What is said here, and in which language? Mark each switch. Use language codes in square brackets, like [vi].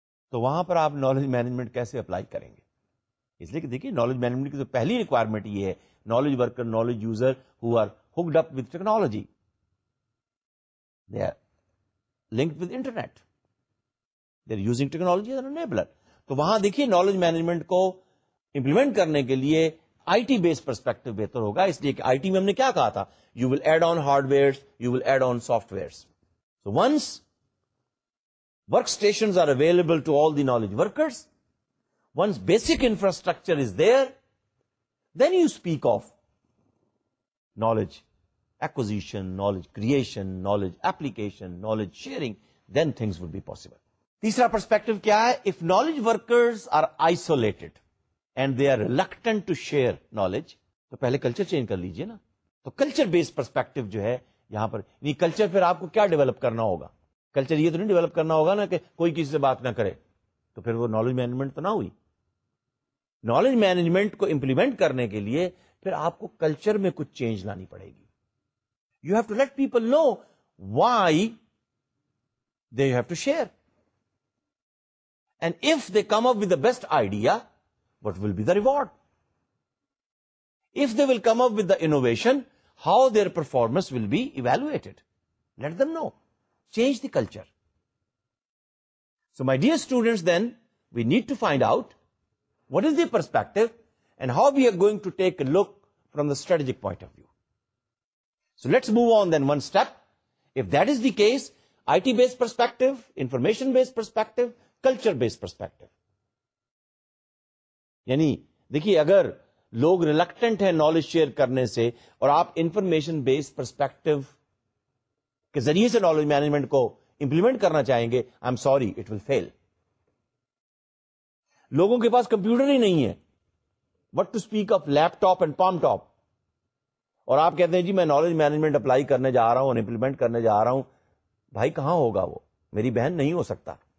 [ur] تو وہاں پر آپ نالج مینجمنٹ کیسے اپلائی کریں گے؟ اس لیے کہ دیکھیں نالج مینجمنٹ کی تو پہلی ریکوائرمنٹ یہ ہے, knowledge worker knowledge user [en] Who are hooked up with technology, they are linked with internet, they are using technology as an enabler. [ur] تو وہاں دیکھیے نالج مینجمنٹ کو امپلیمنٹ کرنے کے لیے آئی ٹی بیس پرسپیکٹو بہتر ہوگا. اس لیے کہ آئی ٹی میں ہم نے کیا کہا تھا, [en] You will add on hardwares, you will add on softwares. So once workstations are available to all the knowledge workers, once basic infrastructure is there, then you speak of knowledge acquisition, knowledge creation, knowledge application, knowledge sharing, then things would be possible. [ur] Teesra perspective kya hai? [en] If knowledge workers are isolated and they are reluctant to share knowledge, [ur] to pehle culture change kar lijiye na. To culture based perspective jo hai, یہاں پر نہیں, culture پھر آپ کو کیا develop کرنا ہوگا؟ Culture یہ تو نہیں ڈیولپ کرنا ہوگا نا کہ کوئی کسی سے بات نہ کرے, تو پھر وہ نالج مینجمنٹ تو نہ ہوئی. نالج مینجمنٹ کو امپلیمنٹ کرنے کے لیے پھر آپ کو کلچر میں کچھ چینج لانی پڑے گی. [en] You have to let people know why they have to share, and if they come up with the best idea, what will be the reward? If they will come up with the innovation, how their performance will be evaluated. Let them know. Change the culture. So my dear students, then we need to find out what is the perspective and how we are going to take a look from the strategic point of view. So let's move on then one step. If that is the case, IT-based perspective, information-based perspective, culture-based perspective. Yani, [ur] دیکھیے اگر لوگ reluctant ہیں knowledge share کرنے سے اور آپ information based perspective کے ذریعے سے نالج مینجمنٹ کو امپلیمنٹ کرنا چاہیں گے [en] I am sorry it will fail. [ur] لوگوں کے پاس کمپیوٹر ہی نہیں ہے, [en] what to speak of laptop and palmtop, [ur] اور آپ کہتے ہیں جی میں نالج مینجمنٹ اپلائی کرنے جا رہا ہوں امپلیمنٹ کرنے جا رہا ہوں, بھائی کہاں ہوگا وہ, میری بہن نہیں ہو سکتا.